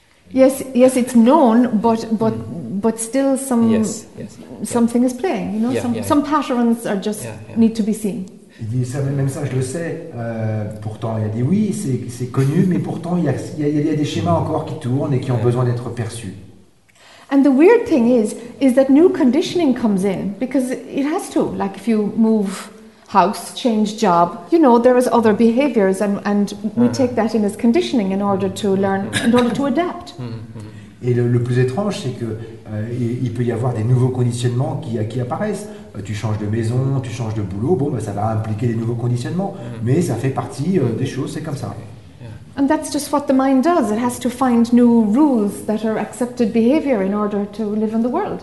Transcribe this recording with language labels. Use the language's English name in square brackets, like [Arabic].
[English] Yes, it's known, but still some something is playing. You know, some patterns are just need to be seen. [French] Il dit ça, même ça, je le sais. Pourtant, il a dit oui, c'est connu, mais pourtant, il y a des schémas encore qui tournent et qui ont besoin d'être perçus. [English] And the weird thing is that new conditioning comes in because it has to. Like if you move house, change job, you know, there is other behaviors, and we take that in as conditioning in order to learn, in order to adapt. [French] Et le plus étrange, c'est que il peut y avoir des nouveaux conditionnements qui apparaissent. Tu changes de maison, tu changes de boulot, bon, ben, ça va impliquer des nouveaux conditionnements, mais ça fait partie des choses, c'est comme ça. [English] And that's just what the mind does. It has to find new rules that are accepted behavior in order to live in the world.